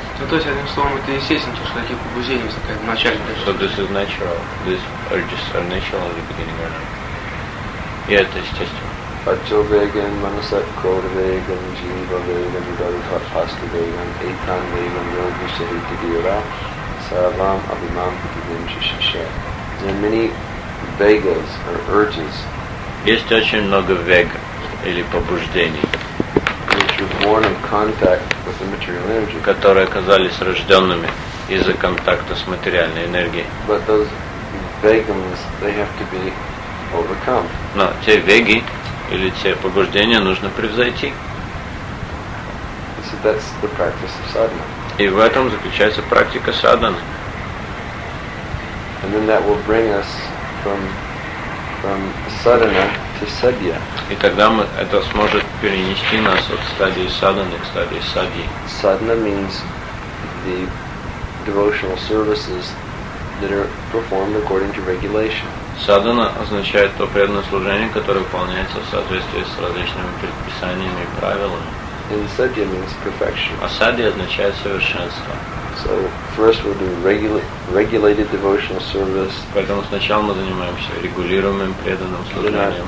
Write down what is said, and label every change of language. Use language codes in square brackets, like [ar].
[ru] То есть, одним словом, это естественно, то, что такие побуждения возникают в начале. [en] So this is natural. This urges are natural at the beginning or not. [ru] И это естественно. [sa] Аджо веган, манасат кор веган, джинва веган, дарихат хасту веган, эйтан веган, йоги шарити вира, савам абимам пикидим шишиша. [en] There are many vegas or urges. [ru] Есть очень много вег или побуждений, [en] born in contact with the material energy, [ru] которые оказались рожденными из-за контакта с материальной энергией. [en] But those vegans, they have to be overcome. [ru] Но те веги или те побуждения нужно превзойти. [en] So that's the practice of sadhana. [ru] И в этом заключается практика садхана. [en] And then that will bring us from sadhana. [ru] И тогда мы это сможет перенести нас от стадии садханы к стадии садхи. [en] Садхана means the devotional services that are performed according to regulation. [ru] Садхана означает то преданное служение, которое выполняется в соответствии с различными предписаниями и правилами. [en] And садхи means perfection. [ru] А садхи означает совершенство. [en] So first we'll do regulated devotional service. [ru] Поэтому сначала мы занимаемся регулируемым преданным служением.